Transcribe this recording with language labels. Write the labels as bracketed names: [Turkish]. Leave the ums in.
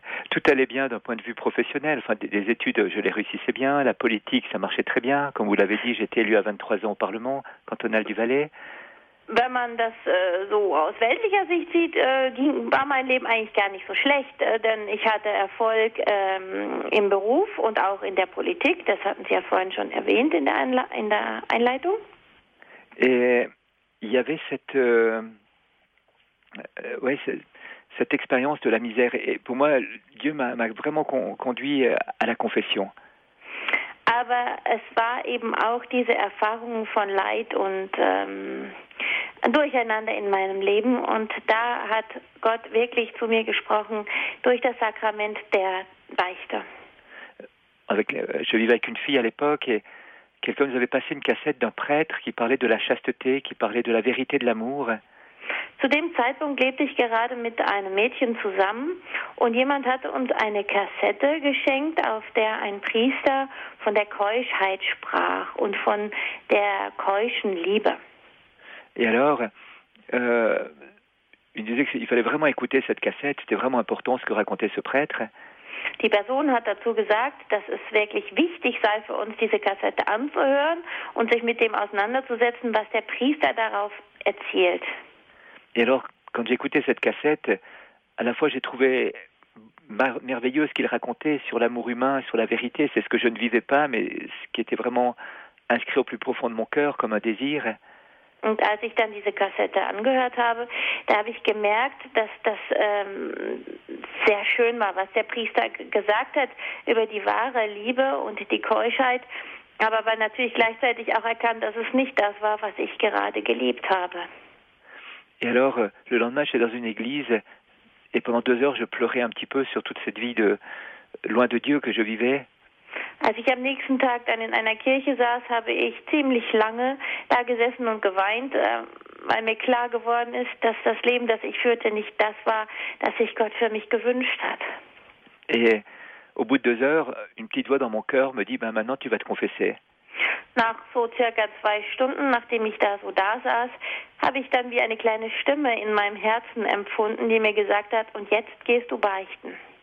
[French] Tout allait bien d'un point de vue professionnel. Enfin, des, des études, je les réussissais bien. La politique, ça marchait très bien. Comme vous l'avez dit, j'étais élu à 23 ans au Parlement cantonal du Valais. [German] Wenn man das äh, so aus weltlicher Sicht sieht, äh, ging, war mein Leben eigentlich gar nicht so schlecht, äh, denn ich hatte Erfolg ähm, im Beruf und auch in der Politik. Das hatten Sie ja vorhin schon erwähnt in der, Einle in der Einleitung. [French] Et il y avait cette euh, ouais, cette expérience de la misère. Et pour moi, Dieu m'a vraiment con, conduit à la confession. [German] Aber es war eben auch diese Erfahrung von Leid und ähm, Durcheinander in meinem Leben. Und da hat Gott wirklich zu mir gesprochen durch das Sakrament der Beichte. [French] Avec, je vivais avec une fille à l'époque et quelqu'un nous avait passé une cassette d'un prêtre qui parlait de la chasteté, qui parlait de la vérité de l'amour. [German] Zu dem Zeitpunkt lebte ich gerade mit einem Mädchen zusammen und jemand hatte uns eine Kassette geschenkt, auf der ein Priester von der Keuschheit sprach und von der keuschen Liebe. [French] Et alors, euh, il disait qu'il fallait vraiment écouter cette cassette, c'était vraiment important ce que racontait ce prêtre. [German] Die Person hat dazu gesagt, dass es wirklich wichtig sei für uns, diese Kassette anzuhören und sich mit dem auseinanderzusetzen, was der Priester darauf erzählt. [French] Et alors, quand j'écoutais cette cassette, à la fois j'ai trouvé merveilleux ce qu'il racontait sur l'amour humain, sur la vérité. C'est ce que je ne vivais pas, mais ce qui était vraiment inscrit au plus profond de mon cœur comme un désir. [German] Und als ich dann diese Kassette angehört habe, da habe ich gemerkt, dass das ähm, sehr schön war, was der Priester gesagt hat über die wahre Liebe und die Keuschheit, aber war natürlich gleichzeitig auch erkannt, dass es nicht das war, was ich gerade gelebt habe. [French] Et alors, le lendemain, j'étais dans une église et pendant deux heures, je pleurais un petit peu sur toute cette vie de loin de Dieu que je vivais. [German] Als ich am nächsten Tag dann in einer Kirche saß, habe ich ziemlich lange da gesessen und geweint, weil mir klar geworden ist, dass das Leben, das ich führte, nicht das war, das sich Gott für mich gewünscht hat. [French] Et au bout de deux heures, une petite voix dans mon cœur me dit, ben maintenant tu vas te confesser. [German] Nach so circa zwei Stunden, nachdem ich da so da saß, habe ich dann wie eine kleine Stimme in meinem Herzen empfunden, die mir gesagt hat, und jetzt gehst du beichten.